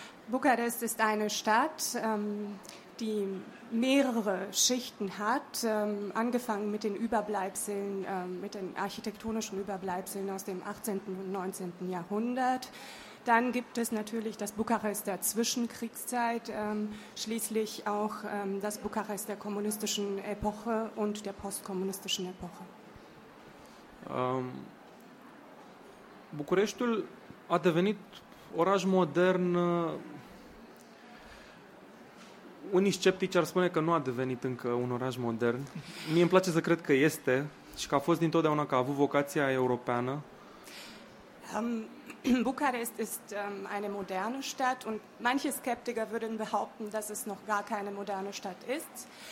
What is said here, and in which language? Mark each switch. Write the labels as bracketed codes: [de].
[ro] Bucarest este o stadă [de] die mehrere Schichten hat, angefangen mit den Überbleibseln, mit den architektonischen Überbleibseln aus dem 18. und 19. Jahrhundert. Dann gibt es natürlich das Bukarest der Zwischenkriegszeit, schließlich auch das Bukarest der kommunistischen Epoche und der postkommunistischen Epoche. [ro] Bucureștiul a devenit oraș modern. Unii sceptici ar spune că nu a devenit încă un oraș modern. Mie îmi place să cred că este și că a fost dintotdeauna, că a avut vocația europeană. [de] Bucharest ist eine moderne Stadt und manche Skeptiker würden behaupten, dass es noch gar keine moderne Stadt ist.